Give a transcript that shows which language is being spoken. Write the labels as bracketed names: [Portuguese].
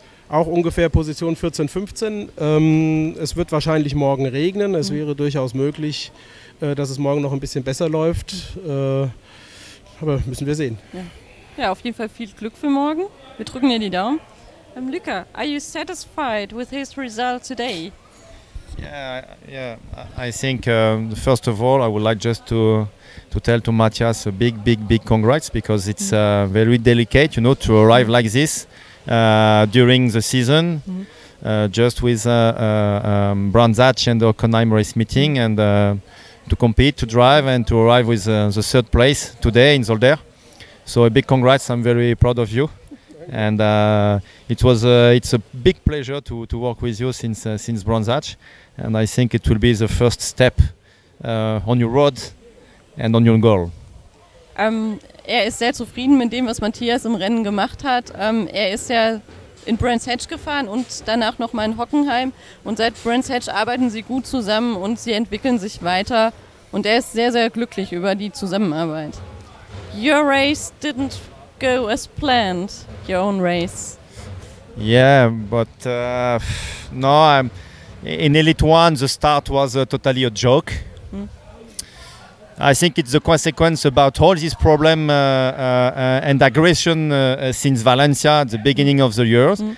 [German] Auch ungefähr Position 14-15. Es wird wahrscheinlich morgen regnen. Es wäre durchaus möglich, dass es morgen noch ein bisschen besser läuft. Aber müssen wir sehen. Ja. Ja, auf jeden Fall viel Glück für morgen. Wir drücken dir die Daumen. [English] Lücke, are you satisfied with his result today? Yeah, I think first of all I would like just to tell to Matthias a big congrats, because it's very delicate, you know, to arrive like this during the season, just with Brands Hatch and the Hockenheim race meeting, and to compete, to drive, and to arrive with the third place today in Zolder. So a big congrats, I'm very proud of you. And it's a big pleasure to work with you since Brands Hatch, and I think it will be the first step on your road and on your goal. [German] Er ist sehr zufrieden mit dem, was Matthias im Rennen gemacht hat. Er ist ja in Brands Hatch gefahren und danach noch mal in Hockenheim, und seit Brands Hatch arbeiten sie gut zusammen und sie entwickeln sich weiter, und er ist sehr, sehr glücklich über die Zusammenarbeit. [English] Your race didn't go as planned, your own race. Yeah, but no, I'm in Elite One the start was totally a joke. I think it's the consequence about all this problem and aggression since Valencia at the beginning of the year.